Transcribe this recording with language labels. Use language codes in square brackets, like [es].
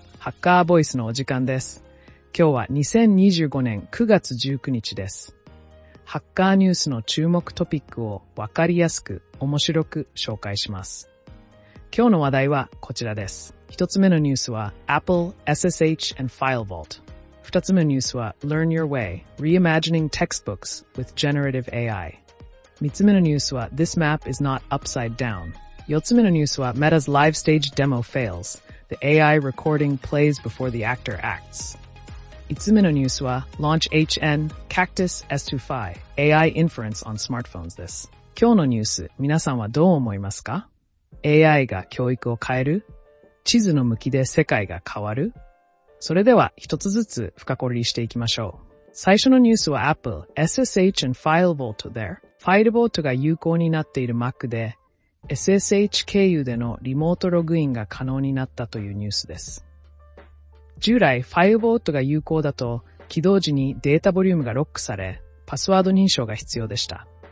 [ja] ハッカーボイスのお時間です。今日は2025年9月19日です。ハッカーニュースの注目トピックをわかりやすく面白く紹介します。今日の話題はこちらです。一つ目のニュースは Apple, SSH and FileVault。二つ目のニュースは Learn Your Way, Reimagining Textbooks with Generative AI。三つ目のニュースは This Map is Not Upside Down。 四つ目のニュースは Meta's Live Stage Demo Fails。 [en] The AI recording plays before the actor acts. [ja] 5つ目のニュースは [en] Launch HN Cactus S2Fi AI Inference on Smartphones [ja] です。今日のニュース、皆さんはどう思いますか？AI が教育を変える？地図の向きで世界が変わる？それでは一つずつ深掘りしていきましょう。最初のニュースは Apple SSH and FileVault there。 FileVault が有効になっている Mac でSSH 経由でのリモートログインが可能になったというニュースです。従来、FileVault が有効だと、起動時にデータボリュームがロックされ、パスワード認証が必要でした。